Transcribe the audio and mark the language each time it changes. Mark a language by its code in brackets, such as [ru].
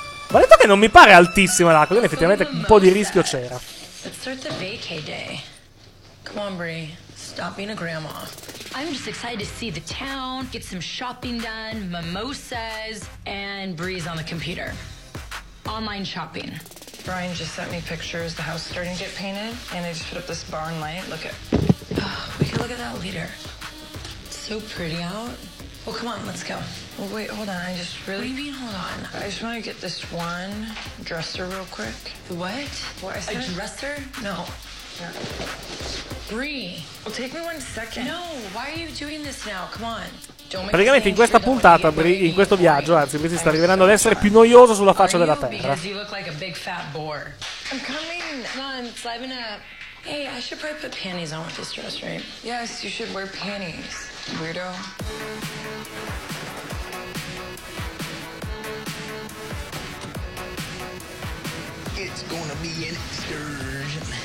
[it] Ma detto che non mi pare altissima l'acqua, quindi effettivamente un po' di rischio c'era. [en] Start the vacay day. Come on, Brie. Stop being a grandma. I'm just excited to see the town, get some shopping done, mimosas, and Brie's on the computer. Online shopping. Brian just sent me pictures. The house is starting to get painted, and I just put up this barn light. Look at. Oh, we can look at that later. It's so pretty out. Well, come on, let's go. Well, wait, hold on. I just really. What do you mean, hold on? I just want to get this one dresser real quick. The what? What? A dresser? No. Yeah. Brie. Well, take me one second. No, why are you doing this now? Come on. [it] Praticamente in questa puntata, in questo viaggio, anzi, Brie si sta rivelando ad essere più noioso sulla faccia della terra. [en] I'm coming. No, I'm slaving up. Hey, I should probably put panties on with this dress, right? Yes, you should wear panties, weirdo. It's gonna be an excursion.